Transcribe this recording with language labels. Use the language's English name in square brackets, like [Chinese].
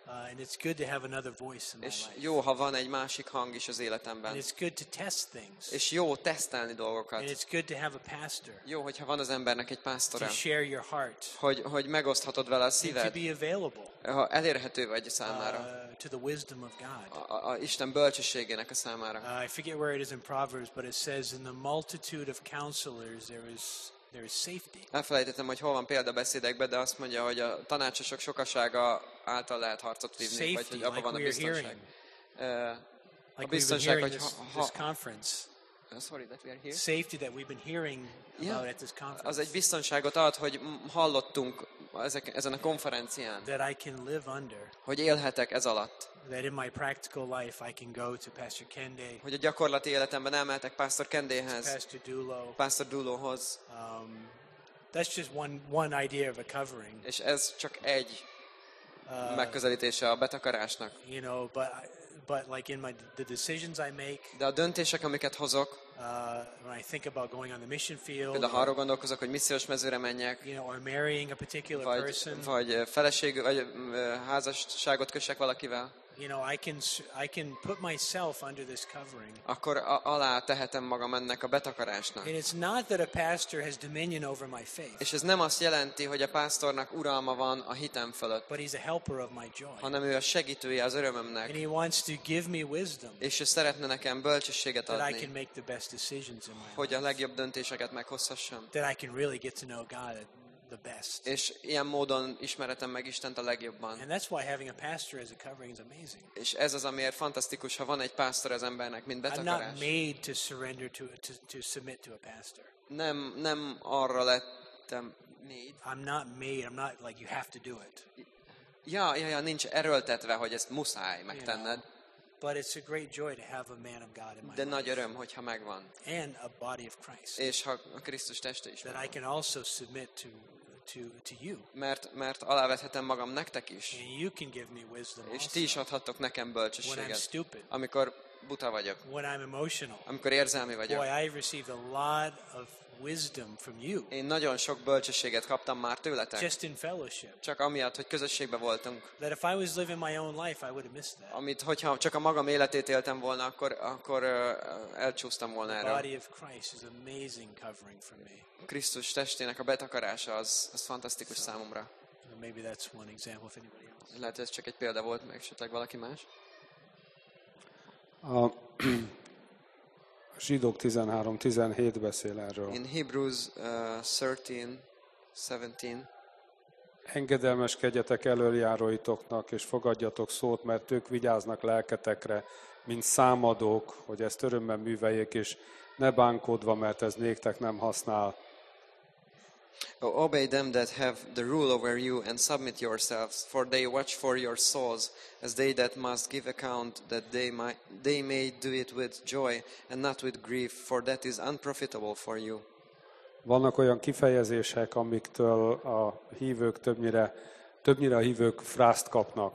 [English] And it's good to have another voice in my life. [Hungarian] És jó, ha van egy másik hang is az életemben. [English] And it's good to test things. [Hungarian] És jó tesztelni dolgokat. [English] And it's good to have a pastor. [Hungarian] Jó, hogyha van az embernek egy pásztora. [English] To share your heart. [Hungarian] Hogy megoszthatod vele a szíved. [English] To be available. [Hungarian] Ha elérhető vagy számára. [English] To the wisdom of God. [Hungarian] A Isten bölcsességének a számára. [English] I forget where it is in Proverbs, but it says in the multitude of counselors there is safety. [Hungarian] Elfelejtettem, hogy hol van példabeszédekben, de azt mondja, hogy a tanácsosok sokasága által lehet harcot vívni, [English] safety, [Hungarian] vagy hogy abban [English] like [Hungarian] van a biztonság. [English] Hearing. [Hungarian] A biztonság, hogy [English] this conference. Sorry that we are here. Safety that we've been hearing about at this conference. [Hungarian] Az egy biztonságot ad, hogy hallottunk ezen a konferencián. [English] That I can live under. [Hungarian] Hogy élhetek ez alatt. [English] That in my practical life I can go to Pastor Kende. [Hungarian] Hogy a gyakorlati életemben elmehetek Pastor Kendéhez. [English] Pastor Dulo. [Hungarian] Pastor Dulohoz. [English] That's just one idea of a covering. [Hungarian] És ez csak egy megközelítése a betakarásnak. [English] You know, but like in the decisions I make. [Hungarian] De a döntések, amiket hozok. [English] When I think about going on the mission field. [Hungarian] Például arra gondolkozok, hogy missziós mezőre menjek. [English] You know, or marrying a particular person. [Hungarian] Vagy feleség, vagy házasságot kössek valakivel. [English] You know, I can put myself under this covering. [Hungarian] Akkor alá tehetem magam ennek a betakarásnak. [English] And it's not that a pastor has dominion over my faith. [Hungarian] És ez nem azt jelenti, hogy a pásztornak uralma van a hitem fölött. [English] But he's a helper of my joy. [Hungarian] Hanem ő a segítője az örömömnek. [English] And he wants to give me wisdom. [Hungarian] És ő szeretne nekem bölcsességet adni. [English] That I can make the best decisions in my life. [Hungarian] Hogy a legjobb döntéseket meghozhassam. [English] That I can really get to know God. The best. [Hungarian] És ilyen módon ismeretem meg Istent a legjobban. [English] And that's why having a pastor as a covering is amazing. [Hungarian] És ez az, amiért fantasztikus, ha van egy pásztor az embernek, mint betakarás. [English] I'm not made to surrender to submit to a pastor. [Hungarian] Nem arra lettem made. [English] I'm not made. I'm not like you have to do it. [Hungarian] Ja, nincs erőltetve, hogy ezt muszáj megtenned. [English] You know, but it's a great joy to have a man of God in my life. [Hungarian] De nagy öröm, hogyha megvan. [English] And a body of Christ. [Hungarian] És ha a Krisztus teste is. [English] That I can also submit to you. [Hungarian] Mert alávethetem magam nektek is. [English] And you can give me wisdom. [Hungarian] És ti is adhattok nekem bölcsességet. [English] When I'm stupid. [Hungarian] Amikor buta vagyok. [English] When I'm emotional. [Hungarian] Amikor érzelmi vagyok. [English] Boy, I've received a lot of wisdom from you. [Hungarian] Én nagyon sok bölcsességet kaptam már tőletek. [English] Just in fellowship. [Hungarian] Csak amiatt, hogy közösségben voltunk. [English] That if I was living my own life, I would have missed that. [Hungarian] Amit, hogyha csak a magam életét éltem volna, akkor elcsúsztam volna erről. [English] The body of Christ is amazing covering for me. [Hungarian] Krisztus testének a betakarása az fantasztikus számomra. [English] Maybe that's one example if anybody else. [Hungarian] Lehet, ez csak egy példa volt, meg esetleg valaki más. A zsidók 13:17 beszél erről. [English] In Hebrews 13:17. [Hungarian] Engedelmeskedjetek elöljáróitoknak, és fogadjatok szót, mert ők vigyáznak lelketekre, mint számadók, hogy ezt örömmel műveljék, és ne bánkodva, mert ez néktek nem használ. [English] Obey them that have the rule over you and submit yourselves, for they watch for your souls, as they that must give account, that they may do it with joy and not with grief, for that is unprofitable for you. [Hungarian] Vannak olyan kifejezések, amiktől a hívők többnyire a hívők frászt kapnak.